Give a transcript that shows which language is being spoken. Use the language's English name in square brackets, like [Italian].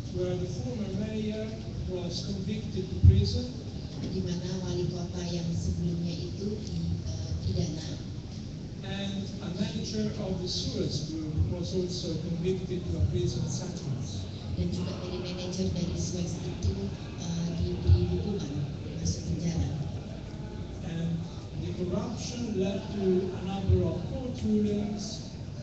[English] where the former mayor was convicted to prison, [Indonesian] di mana wali kota yang sebelumnya itu dipidana. [English] And a manager of the sewage group was also convicted to a prison sentence. [Indonesian] Dan juga dari manager dari sewage itu dihukuman masuk penjara. [English] And the corruption led to a number of court rulings.